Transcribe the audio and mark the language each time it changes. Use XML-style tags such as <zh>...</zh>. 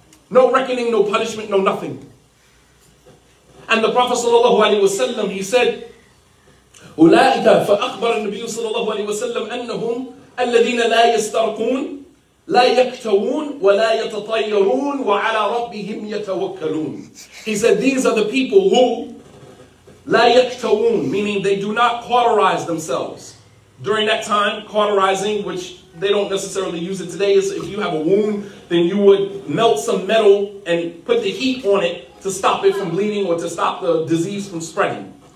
<en>No reckoning, no punishment, no nothing. And the Prophet ﷺ, he said,</en> <ar>أولئك فأخبر النبي صلى الله عليه وسلم أنهم الذين لا يسترقون لا يكتوون ولا يتطيرون وعلى ربهم يتوكلون.</ar> <en>He said, these are the people who</en> <ar>لا يكتوون,</ar> <en>meaning they do not cauterize themselves. During that time, cauterizing, which they don't necessarily use it today, is if you have a wound, then you would melt some metal and put the heat on it to stop it from bleeding or to stop the disease from spreading.</en>